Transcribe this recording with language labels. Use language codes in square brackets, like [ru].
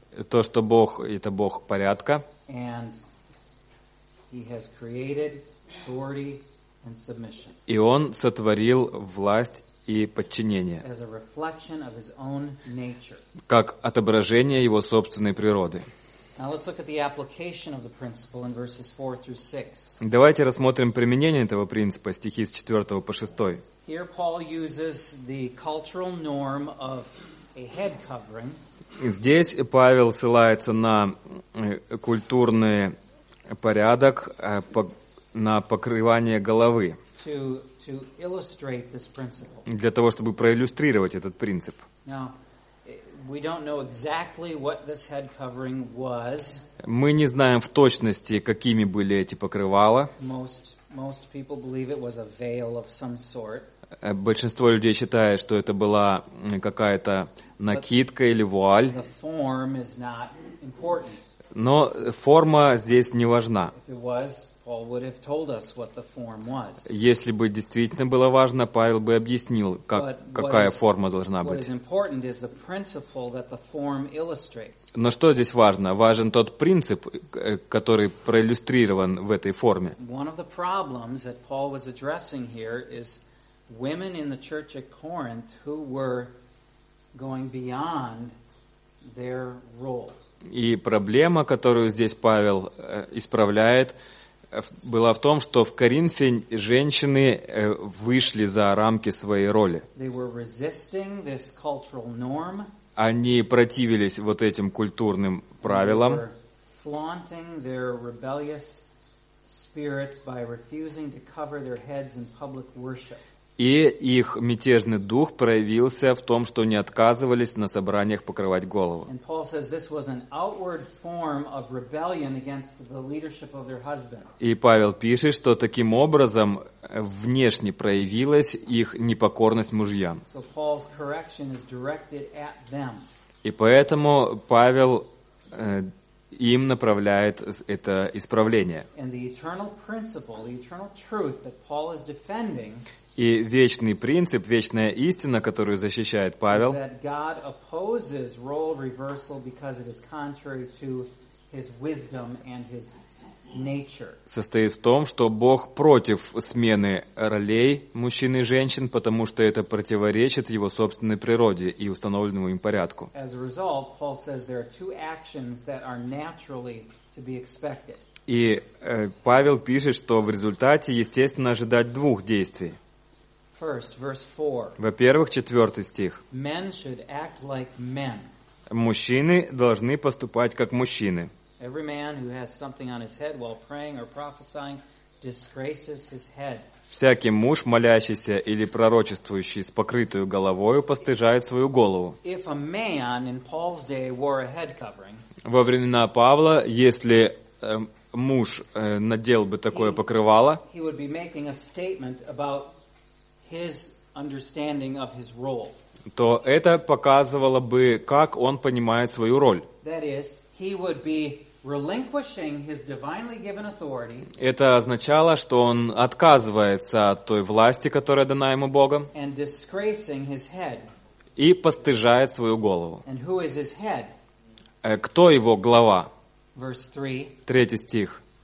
[ru] то, что Бог – это Бог порядка, [en] and he has created authority and submission. [ru] И Он сотворил власть и подчинение [en] as a reflection of his own nature. [ru] Как отображение его собственной природы. [en] Now let's look at the application of the principle in verses 4 through 6. [ru] Давайте рассмотрим применение этого принципа, стихи с 4 по 6. [en] Here Paul uses the cultural norm of a head covering. [ru] Здесь Павел ссылается на культурный порядок, на покрывание головы. [en] To illustrate this principle. [ru] Для того, чтобы проиллюстрировать этот принцип. [en] Now, we don't know exactly what this head covering was. [ru] Мы не знаем в точности, какими были эти покрывала. [en] Most people believe it was a veil of some sort. [ru] Большинство людей считает, что это была какая-то накидка [en] But [ru] или вуаль. [en] The form is not important. [ru] Но форма здесь не важна. [en] Paul would have told us what the form was. [ru] Если бы действительно было важно, Павел бы объяснил, какая форма должна быть. [en] What is important is the principle that the form illustrates. [ru] Но что здесь важно? Важен тот принцип, который проиллюстрирован в этой форме. [en] One of the problems that Paul was addressing here is women in the church at Corinth who were going beyond their role. [ru] И проблема, которую здесь Павел исправляет, была в том, что в Коринфе женщины вышли за рамки своей роли. [en] They were resisting this cultural norm. [ru] Они противились вот этим культурным правилам. [en] Flaunting their rebellious spirits by refusing to cover their heads in public worship. [ru] И их мятежный дух проявился в том, что они отказывались на собраниях покрывать голову. [en] And Paul says this was an outward form of rebellion against the leadership of their husband. [ru] И Павел пишет, что таким образом внешне проявилась их непокорность мужьям. [en] So Paul's correction is directed at them. [ru] И поэтому Павел им направляет это исправление. [en] And the eternal principle, the eternal truth that Paul is defending. [ru] И вечный принцип, вечная истина, которую защищает Павел, [en] that God opposes role reversal because it is contrary to his wisdom and his nature. [ru] Состоит в том, что Бог против смены ролей мужчин и женщин, потому что это противоречит его собственной природе и установленному им порядку. [en] As a result, Paul says there are two actions that are naturally to be expected. [ru] И Павел пишет, что в результате естественно ожидать двух действий. Во-первых, 4 стих. [en] Men should act like men. [ru] Мужчины должны поступать как мужчины. [en] Every man who has something on his head while praying or prophesying disgraces his head. [ru] Всякий муж, молящийся или пророчествующий с покрытой головой, постыжает свою голову. [en] If a man in Paul's day wore a head covering, [ru] во времена Павла, если муж надел бы такое покрывало, [en] he would be making a statement about his understanding of his role. [ru] То это показывало бы, как он понимает свою роль. [en] That is, he would be relinquishing his divinely given authority. [ru] Это означало, что он отказывается от той власти, которая дана ему Богом, [en] and disgracing his head. [ru] И постыжает свою голову. [en] And who is his head? [ru] Кто его глава? [en] Verse 3. [ru] Третий стих.